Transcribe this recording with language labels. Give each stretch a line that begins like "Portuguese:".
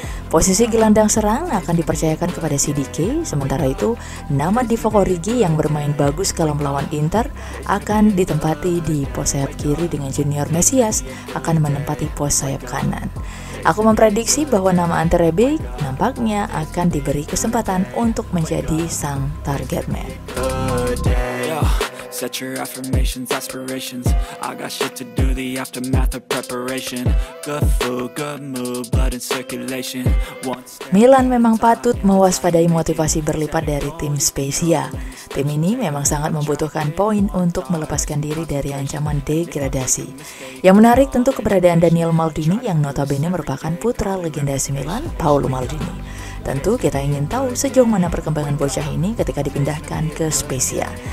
Indonesian: Posisi gelandang serang akan dipercayakan kepada CDK. Sementara itu, nama Divock Origi yang bermain bagus kalau melawan Inter akan ditempati di pos sayap kiri, dengan Junior Mesias akan menempati pos sayap kanan. Aku memprediksi bahwa nama Ante Rebic nampaknya akan diberi kesempatan untuk menjadi sang target man.
English: Set your affirmations, aspirations. I got shit to do, the aftermath of preparation. Good food, good mood, blood in circulation.
Indonesian: Milan memang patut mewaspadai motivasi berlipat dari tim Spezia. Tim ini memang sangat membutuhkan poin untuk melepaskan diri dari ancaman degradasi. Yang menarik tentu keberadaan Daniel Maldini yang notabene merupakan putra legenda AC Milan, Paolo Maldini. Tentu kita ingin tahu sejauh mana perkembangan bocah ini ketika dipindahkan ke Spezia.